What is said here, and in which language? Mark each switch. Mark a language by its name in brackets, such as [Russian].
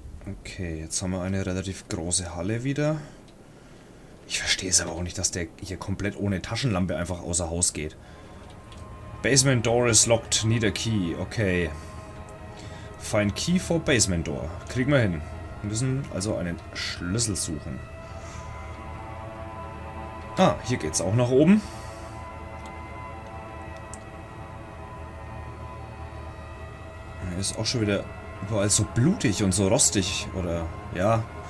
[German] Okay, jetzt haben wir eine relativ große Halle wieder. Ich verstehe es aber auch nicht, dass der hier komplett ohne Taschenlampe einfach außer Haus geht. [English] Basement door is locked, need a key. Okay. Find key for basement door. [German] Kriegen wir hin. Wir müssen also einen Schlüssel suchen. Ah, hier geht's auch nach oben. Ist auch schon wieder überall so blutig und so rostig. Oder, ja.